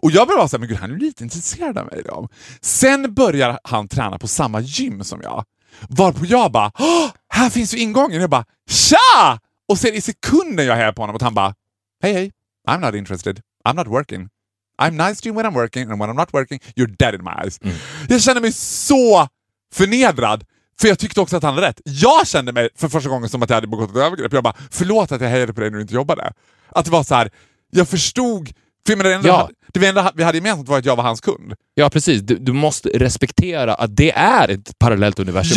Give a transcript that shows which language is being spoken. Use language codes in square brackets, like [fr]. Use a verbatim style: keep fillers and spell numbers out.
[sv] Och jag började säga, men gud, han är lite intresserad av mig då. Sen börjar han träna på samma gym som jag. Varpå jag bara, här finns ju ingången. Jag bara, tja! Och sen i sekunden jag här på honom. Och han bara, hej hej, [en] I'm not interested. I'm not working. I'm nice to you when I'm working, and when I'm not working, you're dead in my eyes. Mm. [sv] Jag kände mig så förnedrad, för jag tyckte också att han hade rätt. Jag kände mig för första gången som att jag hade begått ett övergrepp. Jag bara, förlåt att jag hejade på dig när du inte jobbade. Att det var så här, jag förstod... För det enda, ja. det enda vi hade gemensamt var att jag var hans kund. Ja, precis. Du, du måste respektera att det är ett parallellt universum.